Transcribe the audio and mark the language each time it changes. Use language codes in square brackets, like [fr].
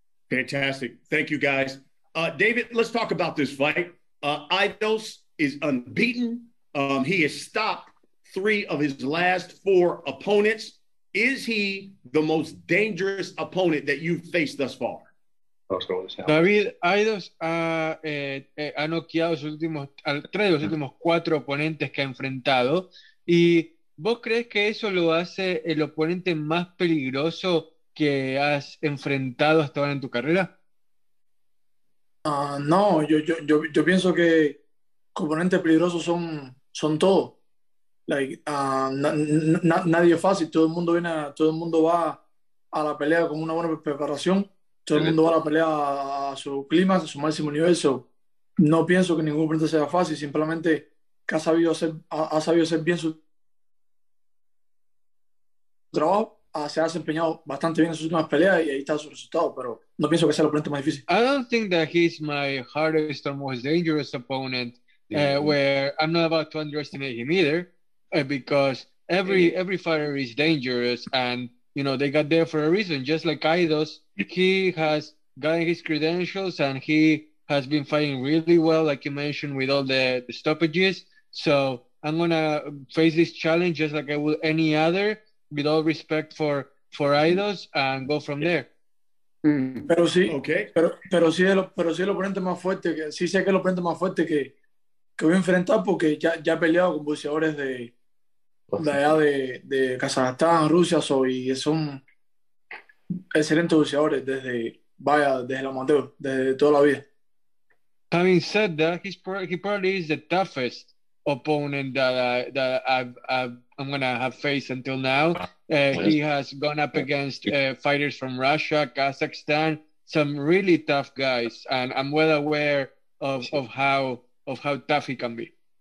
[en] Fantastic. Thank you, guys. David, let's talk about this fight. Idols is unbeaten. He has stopped three of his last four opponents. Is he the most dangerous opponent that you've faced thus far? [es] David Aidos ha noqueado sus últimos tres de los últimos cuatro oponentes que ha enfrentado. ¿Y vos crees que eso lo hace el oponente más peligroso que has enfrentado hasta ahora en tu carrera? No, yo pienso que componentes peligrosos son todos. Like, nadie es fácil, todo el mundo va a la pelea con una buena preparación. Todo el mundo va a la pelea a su clima, a su máximo nivel. So, no pienso que ningún oponente sea fácil, simplemente que ha sabido hacer bien su trabajo, se ha desempeñado bastante bien en sus últimas peleas y ahí está su resultado, pero no pienso que sea el oponente más difícil. [en] I don't think that he's my hardest or most dangerous opponent, where I'm not about to underestimate him either, because every fighter is dangerous and, you know, they got there for a reason, just like Aidos. He has gotten his credentials and he has been fighting really well, like you mentioned, with all the stoppages. So I'm going to face this challenge just like I would any other, with all respect for Aidos, and go from there. [es] Pero sí, okay. pero sí el oponente más fuerte, que, sí sé que el oponente más fuerte que voy a enfrentar, porque ya he peleado con boxeadores de allá de Kazajstán, Rusia, y son excelentes boxeadores desde la amateur, desde toda la vida. [en] Having said that, he probably is the toughest opponent that I'm gonna have faced until now. He has gone up against fighters from Russia, Kazakhstan, some really tough guys, and I'm well aware of how tough he can be.